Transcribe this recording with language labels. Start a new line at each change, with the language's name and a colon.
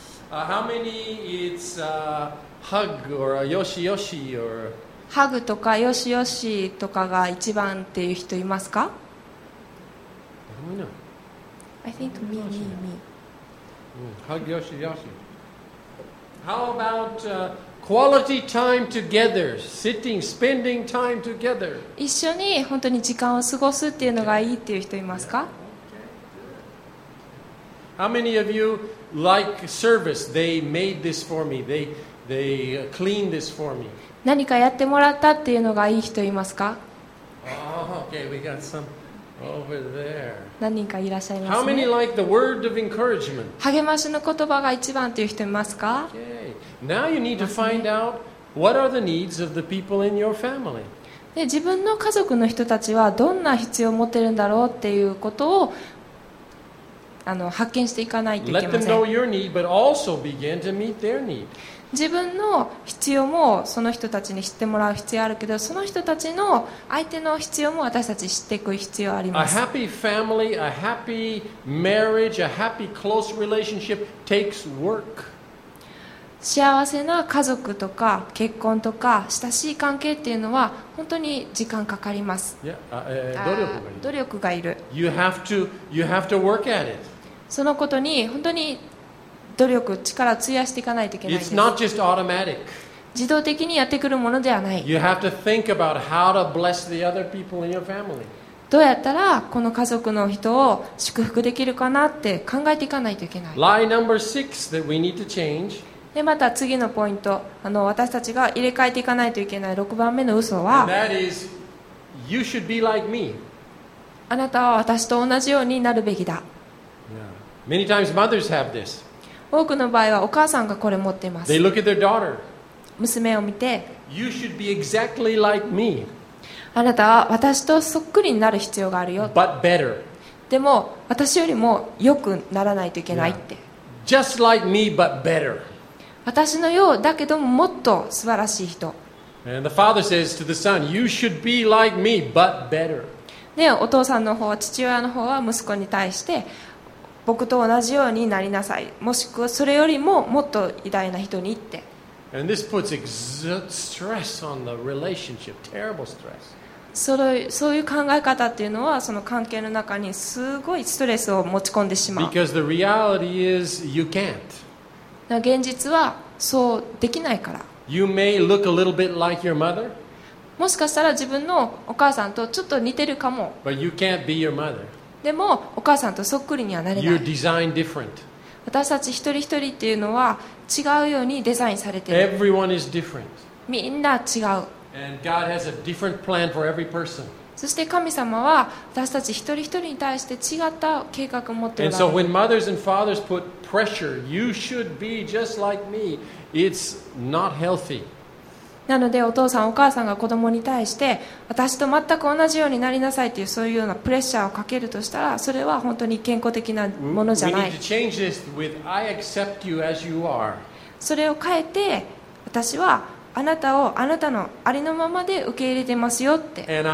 English: How many it's, Hug or a yoshi yoshi or
Japanese: hug とかよしよしとかが一番っていう人いますか？
English: I think me. Hug yoshi yoshi. How about quality time together, sitting, spending time together?
Japanese: 一緒に本当に時間を過ごすっていうのがいいっていう人いますか？
English: How many of you like service? They made this for me. They clean this for me.
Japanese: 何かやってもらったっていうのがいい人いますか？
English: Oh, okay, we got some over there.
Japanese: 何人かいらっしゃいますね。
English: How many like the word of encouragement?
Japanese: 励ましの言葉が一番という人いますか？
English: Okay. Now you need to find out what are the needs of the people in your family.
Japanese: で、自分の家族の人たちはどんな必要を持ってるんだろうっていうことを発見していかないといけません。
English: Let them know your need, but also begin to meet their need.
Japanese: 自分の必要もその人たちに知ってもらう必要あるけど、その人たちの相手の必要も私たち知っていく必要あります。
English: A happy family, a happy marriage, a happy close relationship takes work.
Japanese: 幸せな家族とか結婚とか親しい関係っていうのは本当に時間かかります。努力がいる。
English: You have to work at it.
Japanese: そのことに本当に努力、力を費やしていかないといけないです。
English: It's not just automatic.
Japanese: 自動的にやってくるものではない。
English: You have to think about how to bless the other people in your family.
Japanese: どうやったらこの家族の人を祝福できるかなって考えていかないといけない。
English: Lie number six that we need to change.
Japanese: で、また次のポイント、私たちが入れ替えていかないといけない6番目の嘘は、
English: And that is, you should be like me.
Japanese: あなたは私と同じようになるべきだ。
English: Yeah. Many times mothers have this.
Japanese: 多くの場合はお母さんがこれ持っています。
English: They look at their daughter.
Japanese: 娘を見て、
English: You should be exactly like me.
Japanese: あなたは私とそっくりになる必要があるよ。
English: But better.
Japanese: でも私よりも良くならないといけないって。
English: Yeah. Just like me, but better.
Japanese: 私のようだけどももっと素晴らしい人。
English: And the father says to the son, You should be like me, but better.
Japanese: で、お父さんの方は父親の方は息子に対して。僕と同じようになりなさい。もしくはそれよりももっと偉大な人にって。
English: And this puts stress on the relationship, terrible stress.
Japanese: そういう考え方っていうのはその関係の中にすごいストレスを持ち込んでしまう。
English: Because the reality is you can't.
Japanese: 現実はそうできないから。
English: You may look a little bit like your mother.
Japanese: もしかしたら自分のお母さんとちょっと似てるかも。
English: But you can't be your mother.
Japanese: でもお母さんとそっくりにはなれない。
English: You're designed different.
Japanese: 私たち一人一人っていうのは違うようにデザインされている。
English: Everyone is different.
Japanese: みんな違う。
English: And God has a different plan for every person.
Japanese: そして神様は私たち一人一人に対して違った計画を持っている。
English: And so when mothers and fathers put pressure, you should be just like me. It's not healthy.
Japanese: なのでお父さんお母さんが子供に対して私と全く同じようになりなさいというそういうようなプレッシャーをかけるとしたらそれは本当に健康的なものじゃない。
English: We need to change this with I accept you as you are.
Japanese: それを変えて私はあなたをあなたのありのままで受け入れてますよって。